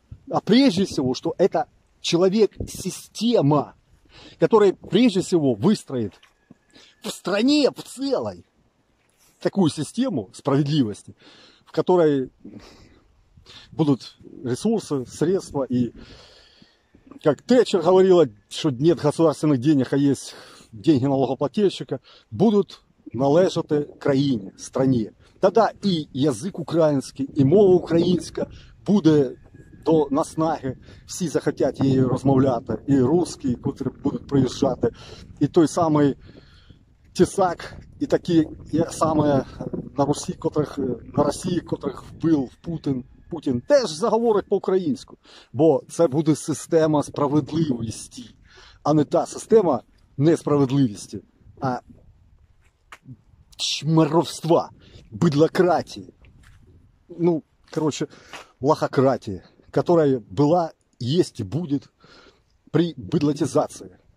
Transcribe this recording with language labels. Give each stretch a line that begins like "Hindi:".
Russian: А прежде всего, что это человек-система, который прежде всего выстроит в стране, в целой, такую систему справедливости, в которой будут ресурсы, средства и, как Тэтчер говорила, что нет государственных денег, а есть деньги налогоплательщика,
Ukrainian: будут належати країні,
Russian: стране. Тогда и язык украинский, и
Ukrainian: мова украинська буде до наснаги. Всі захотять її розмовляти. І русські, які будуть приїжджати. І той самий тісак, і такі саме на Русі, котрих, на Росії, котрих вбив Путін. Путін теж заговорить по-українську. Бо це буде система справедливості, а не та система несправедливості, а чмаровства,
Russian: быдлократии, ну, короче, лохократии, которая была, есть и будет при быдлатизации.